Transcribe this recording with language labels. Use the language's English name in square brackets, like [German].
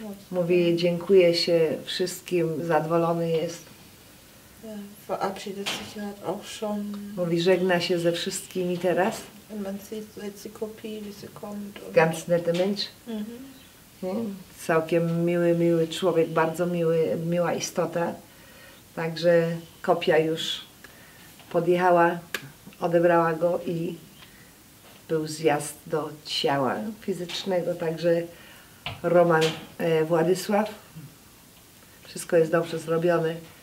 [Polish] Mówi, dziękuję się wszystkim, zadowolony jest. [German] Verabschiedet sich halt auch schon. [Polish] Mówi, żegna się ze wszystkimi teraz. [German] Man sieht jetzt die Kopie, wie sie kommt. Ganz netter Mensch. Mhm. [Polish] Całkiem miły człowiek, bardzo miła istota. Także kopia już podjechała, odebrała go i był zjazd do ciała fizycznego. Także Roman Władysław, wszystko jest dobrze zrobione.